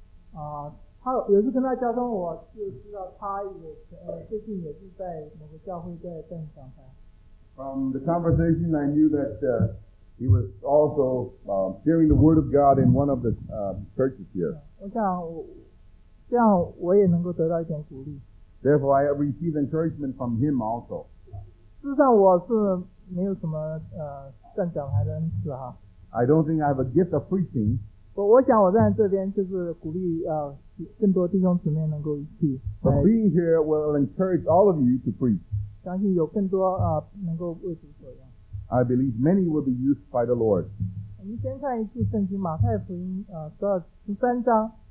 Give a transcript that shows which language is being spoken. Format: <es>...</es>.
<en>From the conversation, I knew that he was also hearing the word of God in one of the churches here.</en> <zh>这样我也能够得到一点鼓励。</zh> <en>Therefore, I receive encouragement from him also.</en> <zh>事实上，我是没有什么站讲台的恩赐哈。</zh> <en>I don't think I have a gift of preaching.</en> <zh>我想我在这边就是鼓励更多弟兄姊妹能够一起。</zh> <en>But being here will encourage all of you to preach.</en> <zh>相信有更多能够为主所用。</zh> <en>I believe many will be used by the Lord.</en> <zh>我们先看一次圣经马太福音12:13。</zh>